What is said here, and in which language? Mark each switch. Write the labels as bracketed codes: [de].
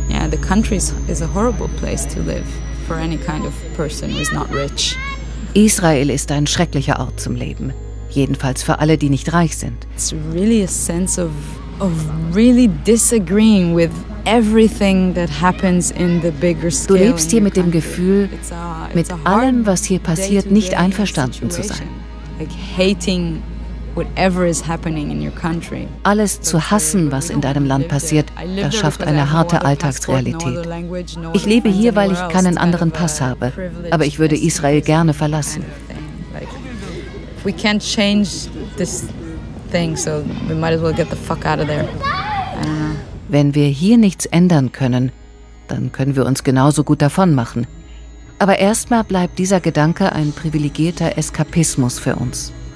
[en] The country is a horrible place to live for any kind of person who is not rich. [de] Israel ist ein schrecklicher Ort zum Leben, jedenfalls für alle, die nicht reich sind. [en] It's really a sense of really disagreeing with everything that happens in the bigger scale. [de] Du lebst hier mit dem Gefühl, mit allem, was hier passiert, nicht einverstanden zu sein. [en] Like hating whatever is happening in your country. [de] Alles zu hassen, was in deinem Land passiert, das schafft eine harte Alltagsrealität. Ich lebe hier, weil ich keinen anderen Pass habe, aber ich würde Israel gerne verlassen. [en] We can't change this thing, so we might as well get the fuck out of there. [de] Wenn wir hier nichts ändern können, dann können wir uns genauso gut davon machen. Aber erstmal bleibt dieser Gedanke ein privilegierter Eskapismus für uns.